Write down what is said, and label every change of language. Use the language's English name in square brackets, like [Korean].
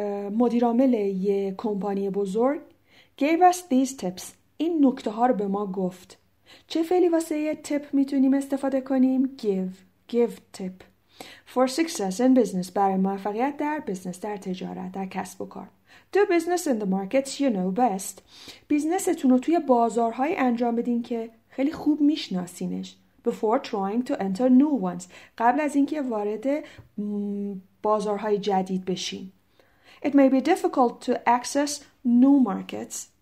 [Persian] مدیر عامل یه کمپانی بزرگ. [English] Gave us these tips. [Persian] این نکته ها رو به ما گفت. چه فعلی واسه یه tip میتونیم استفاده کنیم؟ Give. Give tip. [English] For success in business, [Persian] برای موفقیت در بزنس، در تجارت، در کسب و کار. [English] Do business in the markets you know best. [Persian] بیزنستون رو توی بازارهای انجام بدین که خیلی خوب میشناسینش. [English] Before trying to enter new ones. [Persian] قبل از اینکه وارد بازارهای جدید بشین. [English] It may be difficult to access new markets.